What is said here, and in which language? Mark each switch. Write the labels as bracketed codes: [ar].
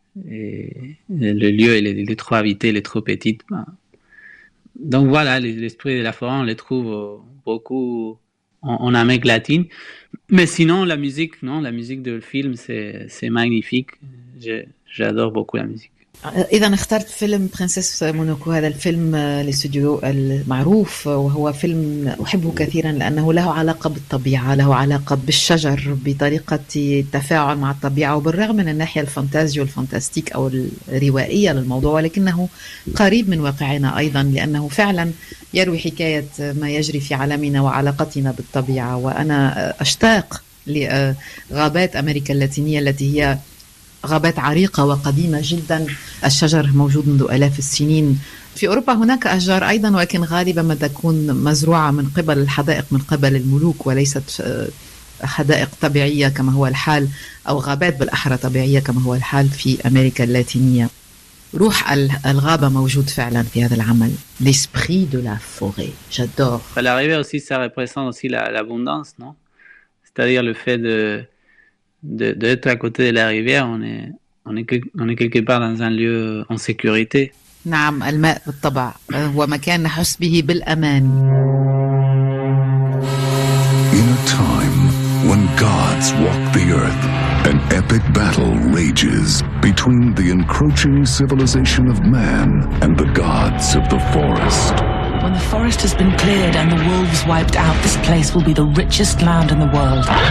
[fr] Et le lieu, il est trop habité, il est trop petit. Bah. Donc, voilà, l'esprit de la forêt, on les trouve beaucoup en Amérique latine. Mais sinon, la musique, non, la musique de le film, c'est magnifique. J'adore beaucoup la musique. [ar] إذا اخترت فيلم برنسيس مونوكو، هذا الفيلم لاستوديو المعروف، وهو فيلم أحبه كثيرا لأنه له علاقة بالطبيعة، له علاقة بالشجر، بطريقة التفاعل مع الطبيعة، وبالرغم من الناحية الفانتازيو والفانتاستيك أو الروائية للموضوع، ولكنه قريب من واقعنا أيضا، لأنه فعلا يروي حكاية ما يجري في عالمنا وعلاقتنا بالطبيعة. وأنا أشتاق لغابات أمريكا اللاتينية التي هي غابات عريقة وقديمة جدا، الشجر موجود منذ آلاف السنين. في أوروبا هناك أشجار أيضا، ولكن غالبا ما تكون مزروعة من قبل الحدائق، من قبل الملوك، وليست حدائق طبيعية كما هو الحال، أو غابات بالأحرى طبيعية كما هو الحال في أمريكا اللاتينية. روح الغابة موجود فعلا في هذا العمل. [fr] L'esprit de la forêt. J'adore. La rivière aussi, ça représente aussi l'abondance, non? C'est-à-dire le fait d'être à côté de la rivière, on est quelque part dans un lieu en sécurité. [ar] نعم، الماء بالطبع هو مكان نحس به بالأمان. [en] In a time when gods walk the earth, an epic battle rages between the encroaching civilization of man and the gods of the forest. When the forest has been cleared and the wolves wiped out, this place will be the richest land in the world.